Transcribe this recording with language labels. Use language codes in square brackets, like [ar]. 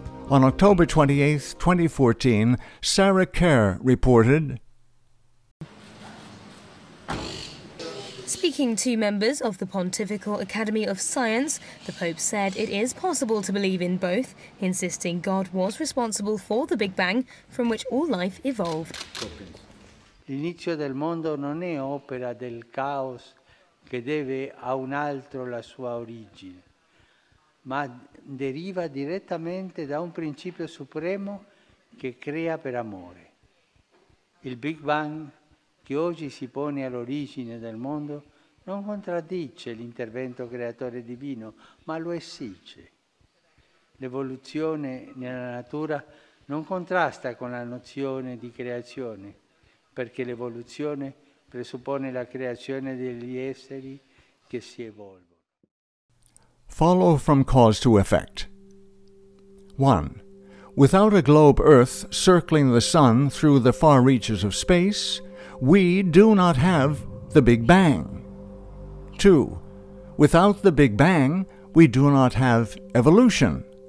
[en] On October 28, 2014, Sarah Kerr reported, "Speaking to members of the Pontifical Academy of Science, the Pope said it is possible to believe in both, insisting God was responsible for the Big Bang, from which all life evolved. [it] L'inizio del mondo non è opera del caos che deve a un altro la sua origine, ma deriva direttamente da un principio supremo che crea per amore. Il Big Bang che oggi si pone all'origine del mondo non contraddice l'intervento creatore divino, ma lo esige. L'evoluzione nella natura non contrasta con la nozione di creazione, perché l'evoluzione presuppone la creazione degli esseri che si evolvono." [en] Follow from cause to effect. 1. Without a globe Earth circling the sun through the far reaches of space, we do not have the Big Bang. 2. Without the Big Bang, we do not have evolution.